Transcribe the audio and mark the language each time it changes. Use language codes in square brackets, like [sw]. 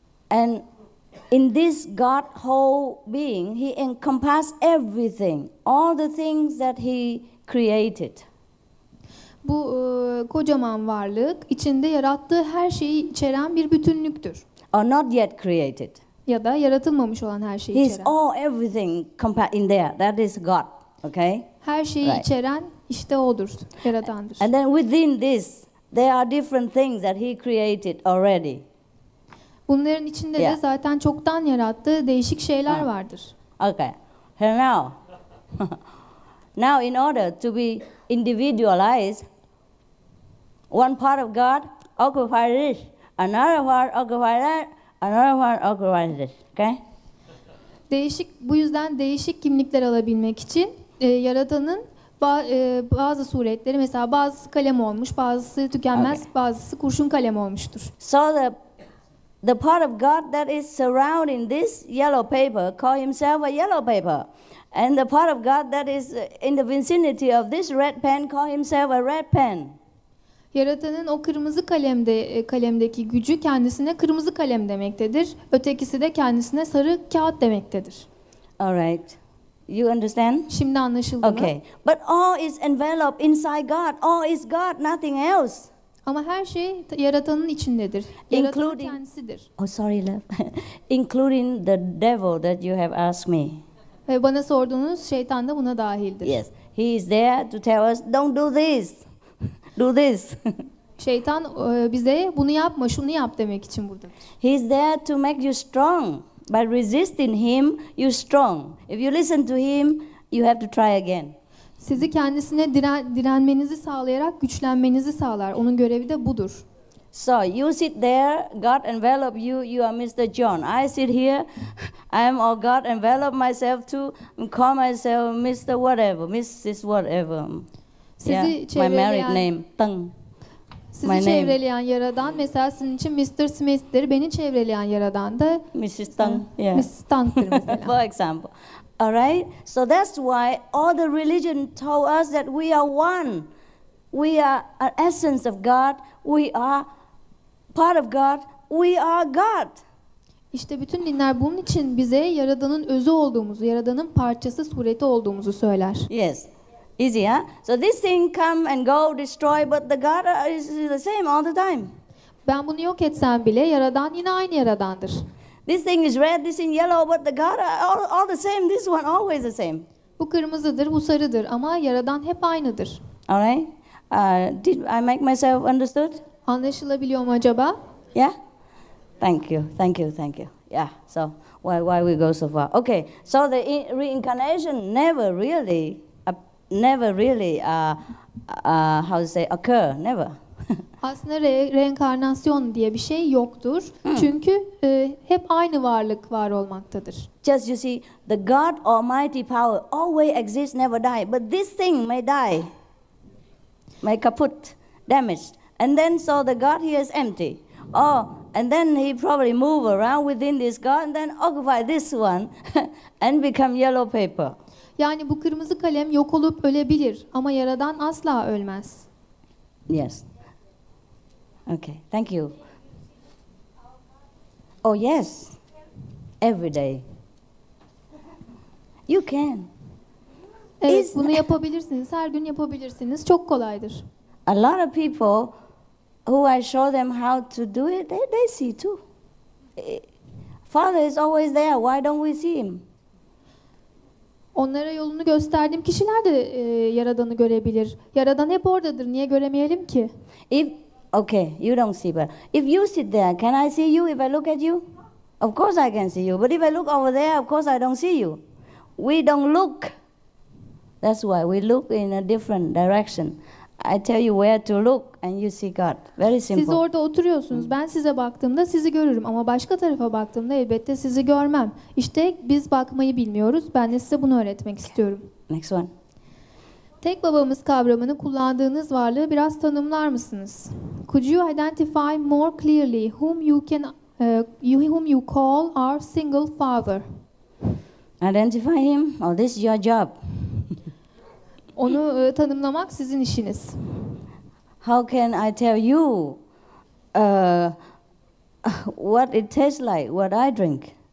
[en] And in this God whole being, he encompasses everything, all the things that he created. [tr] Bu kocaman varlık içinde yarattığı her şeyi içeren bir bütünlüktür. [en] Or not yet created. [tr] Ya da yaratılmamış olan her şeyi [en] He's [tr] içeren. [en] He's all everything compact in there. That is God. Okay? [tr] Her şeyi [en] right. [tr] İçeren işte odur. Yaradandır. [en] And then within this there are different things that he created already. [tr] Bunların içinde [en] yeah. [tr] De zaten çoktan yarattığı değişik şeyler vardır. [en] Okay. Here now. Now, in order to be individualized, one part of God occupies this, another part occupies that, Another one, okay? [tr] Değişik, bu yüzden değişik kimlikler alabilmek için Yaradan'ın bazı suretleri, mesela bazısı kalem olmuş, bazısı tükenmez, [en] okay. [tr] Bazısı kurşun kalem olmuştur. [en] So the part of God that is surrounding this yellow paper call himself a yellow paper. And the part of God that is in the vicinity of this red pen call himself a red pen. [tr] Yaratanın o kırmızı kalemde kalemdeki gücü kendisine kırmızı kalem demektedir. Ötekisi de kendisine sarı kağıt demektedir. [en] All right. You understand? [tr] Şimdi anlaşıldı [en] okay. [tr] mı? [en] Okay. But all is enveloped inside God. All is God, nothing else. [tr] Ama her şey Yaratanın içindedir. Yaratan [en] including, [tr] kendisidir. [en] Oh sorry love. Including the devil that you have asked me. [tr] Ve bana sorduğunuz şeytan da buna dahildir. [en] Yes. He is there to tell us don't do this. Do this. Şeytan bize bunu yapma, şunu yap demek için buradadır. He is there to make you strong. By resisting him you strong. If you listen to him you have to try again. [tr] Sizi kendisine direnmenizi sağlayarak güçlenmenizi sağlar. Onun görevi de budur. [en] So you sit there, God envelop you, you are Mr. John. I sit here, I am all God envelop myself to call myself Mr. Whatever, Mrs. Whatever. [tr] Sizi [en] yeah, [tr] çevreleyen, [en] my married name, Tang. [tr] Sizi [en] my [tr] çevreleyen [en] name. [tr] Yaradan, mesela sizin için Mr. Smith'tir. Beni çevreleyen Yaradan da [en] Mrs. Tang. Yeah. [tr] Mrs. Tang'tir mesela. [en] For example. All right. So that's why all the religion told us that we are one. We are an essence of God. We are part of God. We are God. [tr] İşte bütün dinler bunun için bize Yaradan'ın özü olduğumuzu, Yaradan'ın parçası, sureti olduğumuzu söyler. [en] Yes. Easy, huh? So this thing come and go, destroy, but the God is the same all the time. [tr] Ben bunu yok etsem bile Yaradan yine aynı Yaradandır. [en] This thing is red, this thing yellow, but the God all the same, this one always the same. [tr] Bu kırmızıdır, bu sarıdır ama Yaradan hep aynıdır. [en] All right. Did I make myself understood? [tr] Anlaşılabiliyor mu acaba? [en] Yeah. Thank you, thank you, thank you. Yeah, so why we go so far? Okay, so the reincarnation never really occur, never. [tr] Aslında reenkarnasyon diye bir şey yoktur. Hmm. Çünkü hep aynı varlık var olmaktadır. [en] Just you see, the God Almighty power always exists, never die. But this thing may die, may kaput, damaged. And then so the God here is empty. Oh, and then he probably move around within this God and then occupy this one and become yellow paper. [tr] Yani bu kırmızı kalem yok olup ölebilir ama Yaradan asla ölmez. [en] Yes. Okay, thank you. Oh yes, every day. You can. [tr] Evet, [en] isn't [tr] bunu yapabilirsiniz, her gün yapabilirsiniz, çok kolaydır. [en] A lot of people who I show them how to do it, they see too. Father is always there, why don't we see him? [tr] Onlara yolunu gösterdiğim kişiler de Yaradan'ı görebilir. Yaradan hep oradadır, niye göremeyelim ki? [en] Okay, you don't see, but if you sit there, can I see you if I look at you? Of course I can see you, but if I look over there, of course I don't see you. We don't look. That's why we look in a different direction. I tell you where to look and you see God. Very simple. [tr] Siz orada oturuyorsunuz. Ben size baktığımda sizi görürüm ama başka tarafa baktığımda elbette sizi görmem. İşte biz bakmayı bilmiyoruz. Ben de size bunu öğretmek istiyorum. [en] Next one. [tr] Tek babamız kavramını kullandığınız varlığı biraz tanımlar mısınız? [en] Could you identify more clearly whom you call our single father? Identify him? Oh, this is your job. [tr] Onu tanımlamak sizin işiniz. [en] How can I tell you what it tastes like, what I drink?